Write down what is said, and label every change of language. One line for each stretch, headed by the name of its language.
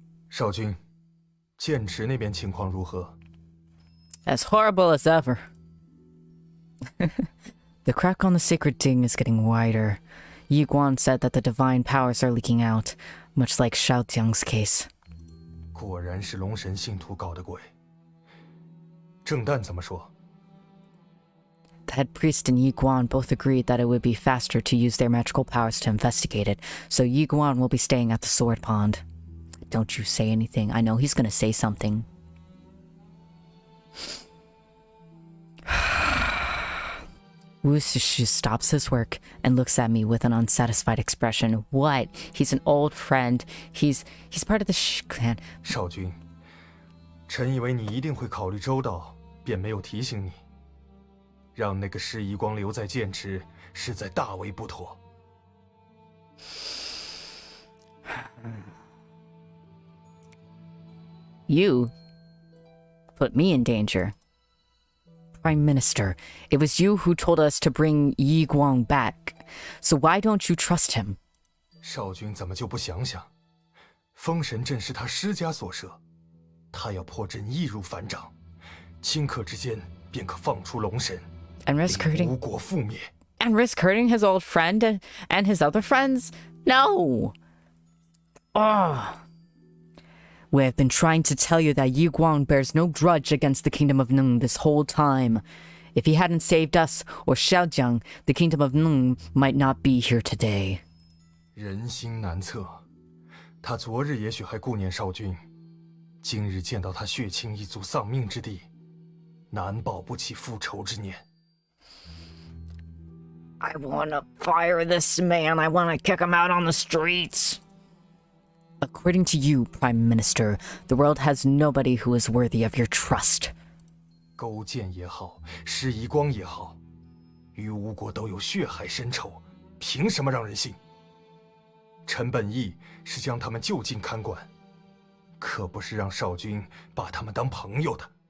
Chinese: 少君，剑池那边情况如何？
English: As horrible as ever. The crack on the sacred ding is getting wider. Yi Guan said that the divine powers are leaking out, much like Xiao Jiang's case.
Chinese: 果然是龙神信徒搞的鬼。正旦怎么说？
English: The head priest and Yi Guan both agreed that it would be faster to use their magical powers to investigate it, so Yi Guan will be staying at the sword pond. Don't you say anything. I know he's gonna say something. Wu Sishu stops his work and looks at me with an unsatisfied expression. What? He's an old friend. He's part of the Shi clan.
Chinese: 少君，臣以为你一定会考虑周到。便没有提醒你，让那个施遗光留在剑池，实在大为不妥。
English: You put me in danger, Prime Minister. It was you who told us to bring Yi Guang back, so why don't you trust him?
Chinese: 少君怎么就不想想，封神阵是他施家所设，他要破阵易如反掌。顷刻之间便可放出龙神
English: and risk hurting,
Chinese: 吴国覆灭
English: and risk hurting his old friend and his other friends? No! Ah! We have been trying to tell you that Yi Guang bears no grudge against the Kingdom of Nung this whole time. If he hadn't saved us or Xiaojiang, the Kingdom of Nung might not be here today.
Chinese: 人心难测，他昨日也许还顾念少君，今日见到他血亲一族丧命之地，难保不起复仇之念。
English: I wanna fire this man. I wanna kick him out on the streets. According to you, Prime Minister, the world has nobody who is worthy of your trust.
Chinese: 勾践也好，施夷光也好，与吴国都有血海深仇，凭什么让人信？臣本意是将他们就近看管，可不是让少君把他们当朋友的。